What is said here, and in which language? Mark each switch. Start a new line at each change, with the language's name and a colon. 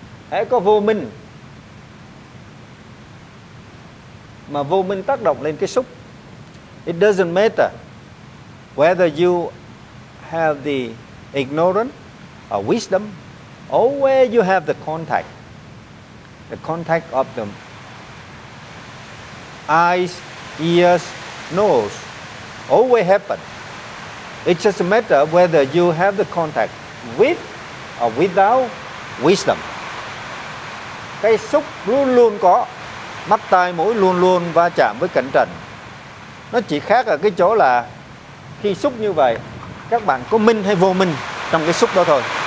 Vietnamese: Hãy có vô minh mà vô minh tác động lên cái xúc.
English: It doesn't matter whether you have the ignorance or wisdom or where you have the contact of the eyes, ears, nose, always happen. It's just a matter of whether you have the contact with or without wisdom.
Vietnamese: Cái xúc luôn luôn có, mắt tai mũi luôn luôn va chạm với cảnh trần. Nó chỉ khác ở cái chỗ là khi xúc như vậy, các bạn có minh hay vô minh trong cái xúc đó thôi.